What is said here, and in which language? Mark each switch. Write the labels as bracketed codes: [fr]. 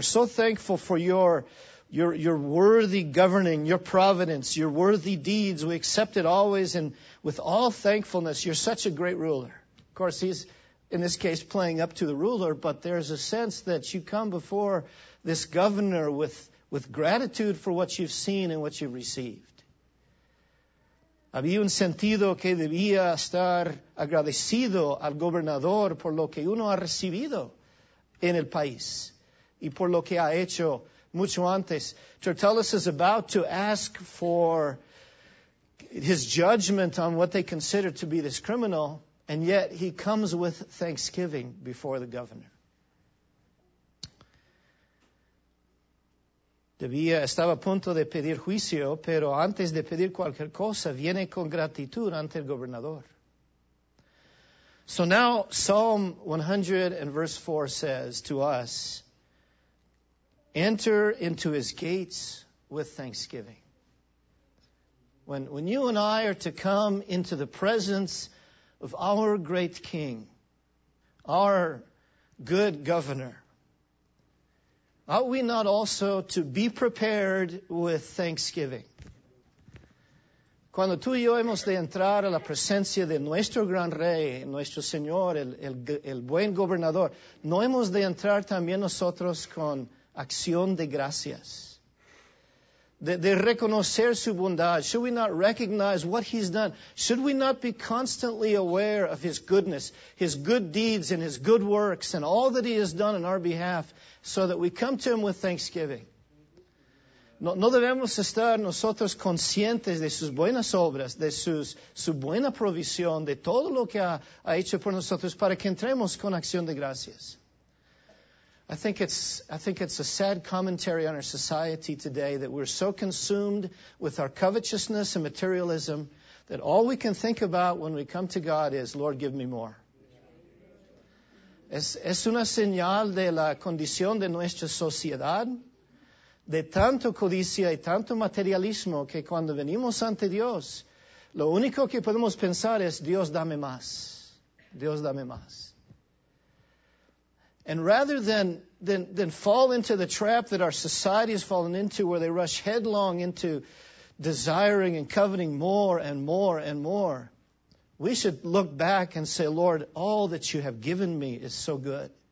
[en] We're so thankful for your worthy governing, your providence, your worthy deeds. We accept it always and with all thankfulness. You're such a great ruler. Of course, he's in this case playing up to the ruler, but there's a sense that you come before this governor with gratitude for what you've seen and what you've received. [es] Había un sentido que debía estar agradecido al gobernador por lo que uno ha recibido en el país y por lo que ha hecho mucho antes. [en] Tertullus is about to ask for his judgment on what they consider to be this criminal, and yet he comes with thanksgiving before the governor. [es] Estaba a punto de pedir juicio, pero antes de pedir cualquier cosa, viene con gratitud ante el gobernador. [en] So now, Psalm 100 and verse 4 says to us, enter into his gates with thanksgiving. When you and I are to come into the presence of our great King, our good governor, ought we not also to be prepared with thanksgiving? [es] Cuando tú y yo hemos de entrar a la presencia de nuestro gran rey, nuestro señor, el buen gobernador, ¿no hemos de entrar también nosotros con acción de gracias? De reconocer su bondad. [en] Should we not recognize what he's done? Should we not be constantly aware of his goodness, his good deeds and his good works and all that he has done on our behalf so that we come to him with thanksgiving? [es] No debemos estar nosotros conscientes de sus buenas obras, de su buena provisión, de todo lo que ha hecho por nosotros para que entremos con acción de gracias. [en] I think it's a sad commentary on our society today that we're so consumed with our covetousness and materialism that all we can think about when we come to God is, Lord, give me more. [es] Es una señal de la condición de nuestra sociedad, de tanto codicia y tanto materialismo, que cuando venimos ante Dios, lo único que podemos pensar es, Dios, dame más. Dios, dame más. [en] And rather than fall into the trap that our society has fallen into, where they rush headlong into desiring and coveting more and more and more, we should look back and say, Lord, all that you have given me is so good.